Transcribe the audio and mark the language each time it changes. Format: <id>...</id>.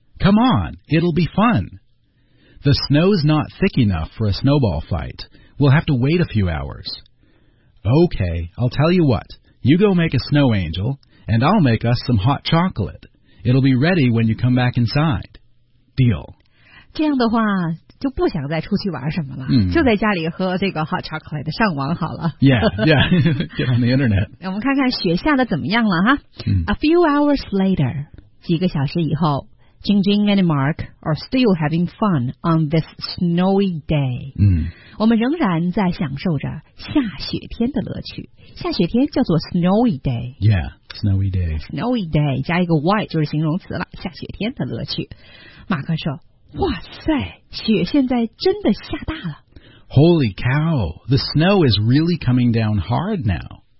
<en>Come on, it'll be fun. The snow's not thick enough for a snowball fight. We'll have to wait a few hours. Okay, I'll tell you what. You go make a snow angel. And I'll make us some hot chocolate. It'll be ready when you come back inside. Deal.</en> <zh>这样的话就不想再出去玩什么了、 mm. 就在家里喝这个 hot chocolate 上网好了。</zh> <en>Yeah, yeah. Get on the internet.</en> <zh>我们看看雪下的怎么样了哈。 Mm.</zh> <en>A few hours later, 几个小时以后 Jing Jing and Mark are still having fun on this snowy day.、 Mm.</en> <zh>我们仍然在享受着下雪天的乐趣。下雪天叫做 snowy day.</zh> <en>Yeah. Snowy day.</en> <zh>Snowy day, 加一个 y 就是形容词了，下雪天的乐趣。马克说，哇塞，雪现在真的下大了。</zh> <en>Holy cow, the snow is really coming down hard now.</en>